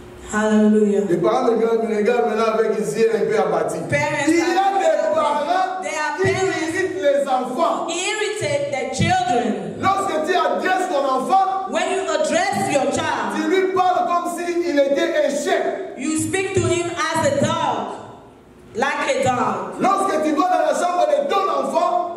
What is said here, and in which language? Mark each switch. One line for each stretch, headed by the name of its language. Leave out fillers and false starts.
French: Hallelujah. Les parents de grands regards maintenant avec ici un peu abattu. Il y a des parents qui irritent les enfants.
English: Irritate their children.
French: Lorsque tu adresses ton enfant,
English: when you address your child,
French: tu lui parles comme si il était un chien.
English: You speak to him as a dog, like a dog.
French: Lorsque tu vas dans la chambre de ton enfant,